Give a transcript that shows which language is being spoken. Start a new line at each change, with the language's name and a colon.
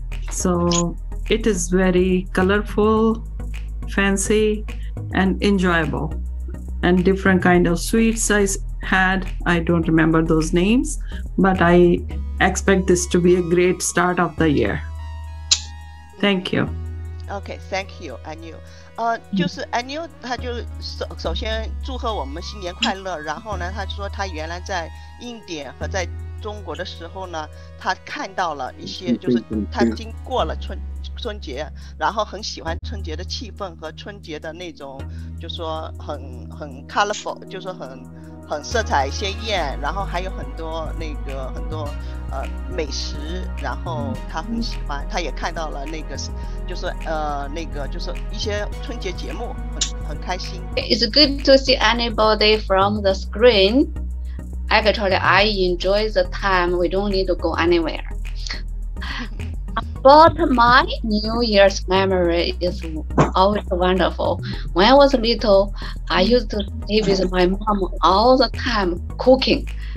English: So it is very colorful, fancy, and enjoyable. And different kind of sweets I had. I don't remember those names, but I expect this to be a great start of the year. Thank you. Okay, thank you, Anil.
Chinese: 就是 Anil 他就首先祝贺我们新年快乐，然后呢，他说他原来在印典和在中国的时候呢，他看到了一些，就是他经过了春节，然后很喜欢春节的气氛和春节的那种，就说很 colorful， 就是很色彩鲜艳，然后还有很多那个很多美食，然后他很喜欢，他也看到了那个就是那个就是一些春节节目，很开心。
English: It's good to see anybody from the screen. Actually, I enjoy the time. We don't need to go anywhere. But my New Year's memory is always wonderful. When I was little, I used to stay with my mom all the time cooking.